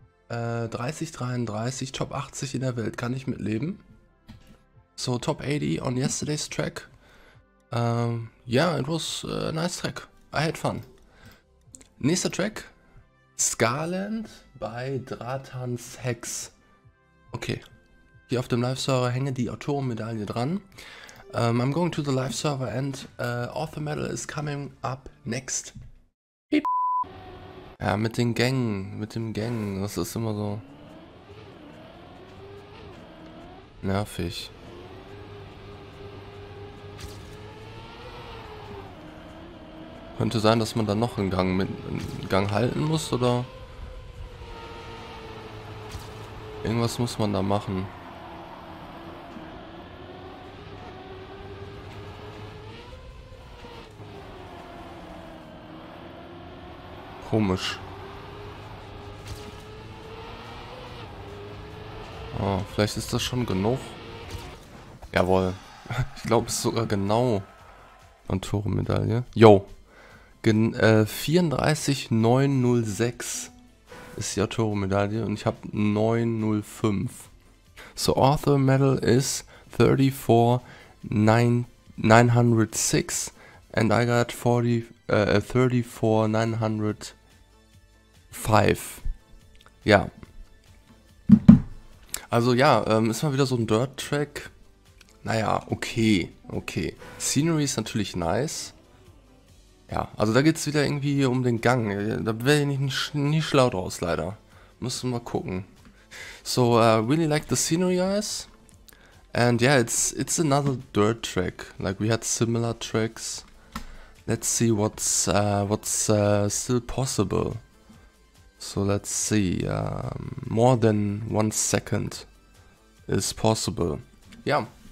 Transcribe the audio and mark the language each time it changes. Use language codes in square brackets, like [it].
[de] 30-33, Top 80 in der Welt, kann ich mitleben. [en] So, Top 80 on yesterday's track. It was a nice track. I had fun. [de] Nächster Track. [en] Scarland by Dratan's Hex. Okay. [de] Hier auf dem Live-Server hänge die Autorenmedaille dran. [en] I'm going to the Live-Server and Author Medal is coming up next. [de] Piep. Ja, mit den Gängen. Mit den Gängen. Das ist immer so. Nervig. Könnte sein, dass man dann noch einen Gang halten muss oder. Irgendwas muss man da machen. Komisch. Oh, vielleicht ist das schon genug. Jawohl. Ich glaube, es ist sogar genau. Und Torenmedaille. Yo. 34906 ist die Autorenmedaille und ich habe 905. [en] So, Author Medal is 34906 and I got 34905. [de] Ja. Also ja, ist mal wieder so ein Dirt Track. Naja, okay. Scenery ist natürlich nice. Ja, also da geht es wieder irgendwie um den Gang. Da werde ich nie schlau draus, leider. Müssen wir mal gucken. [en] So, really like the scenery, guys. And yeah, it's another dirt track. Like, we had similar tracks. Let's see what's still possible. So, let's see. More than 1 second is possible. [de] Ja. [en] Yeah.